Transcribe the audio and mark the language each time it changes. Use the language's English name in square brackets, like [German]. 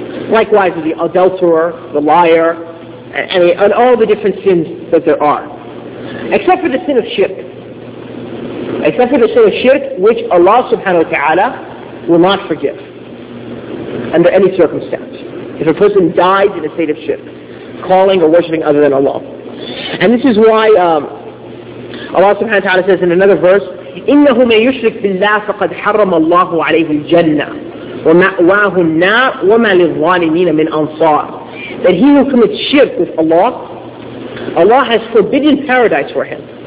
[English] Likewise with the adulterer, the liar, and all the different sins that there are. Except for the sin of shirk. Except for the sin of shirk, which Allah subhanahu wa ta'ala will not forgive under any circumstance. If a person dies in a state of shirk, calling or worshipping other than Allah. And this is why Allah subhanahu wa ta'ala says in another verse, [Arabic] إِنَّهُ مَن يُشْرِكْ بِاللَّهِ فَقَدْ حَرَّمَ اللَّهُ عَلَيْهِ الْجَنَّةِ وَمَأْوَاهُ النَّارِ وَمَا لِلظَّالِمِينَ مِنْ أَنصَارِ. [English] That he who commits shirk with Allah, Allah has forbidden paradise for him.